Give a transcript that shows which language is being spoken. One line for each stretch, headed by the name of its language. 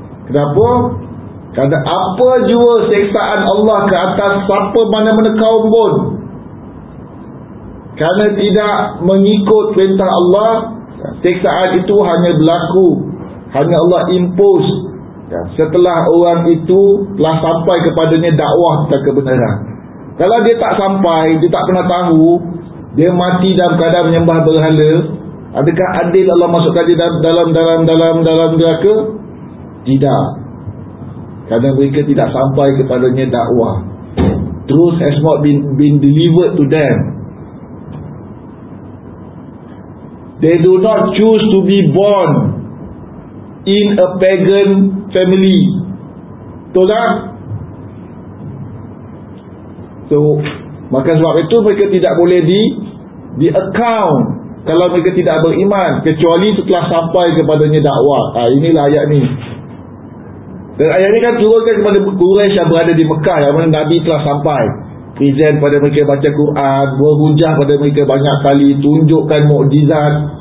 Malay: Kenapa? Kerana apa jua seksaan Allah ke atas siapa mana-mana kaum pun kerana tidak mengikut perintah Allah, seksaan itu hanya berlaku, hanya Allah impose setelah orang itu telah sampai kepadanya dakwah tentang kebenaran. Kalau dia tak sampai, dia tak pernah tahu, dia mati dalam keadaan menyembah berhala, adakah adil Allah masukkan dia dalam neraka? Tidak. Kerana mereka tidak sampai kepadanya dakwah.
English: Truth has not been delivered to them. They do not choose to be born in a pagan family.
Malay: Betul tak? So, maka sebab itu mereka tidak boleh di account kalau mereka tidak beriman, kecuali setelah sampai kepadanya dakwah. Ha, inilah ayat ni. Dan ayat ni kan turunkan kepada Quraisy yang berada di Mekah, yang mana Nabi telah sampai, present pada mereka baca Quran, berhujah pada mereka banyak kali, tunjukkan mukjizat.